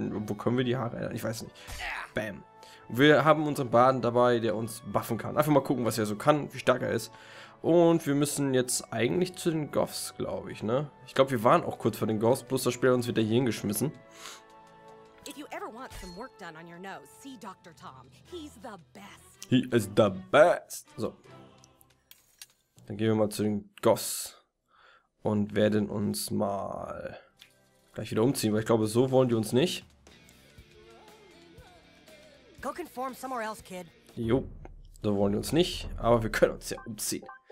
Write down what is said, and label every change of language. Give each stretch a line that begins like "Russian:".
German: Wo können wir die Haare ändern? Ich weiß nicht. Bam. Wir haben unseren Baden dabei, der uns buffen kann. Einfach mal gucken, was er so kann, wie stark er ist. Und wir müssen jetzt eigentlich zu den Goths, glaube ich, ne? Ich glaube, wir waren auch kurz vor den Goths, bloß das Spiel hat uns wieder hier hingeschmissen.
English: If you ever want some work done on your nose, see Dr. Tom. He's the best. He is the best. So.
German: Dann gehen wir mal zu den Goths und werden uns mal gleich wieder umziehen, weil ich glaube, so wollen die uns nicht.
English: Go conform somewhere else, kid.
German: Jo, so wollen die uns nicht, aber wir können uns ja umziehen.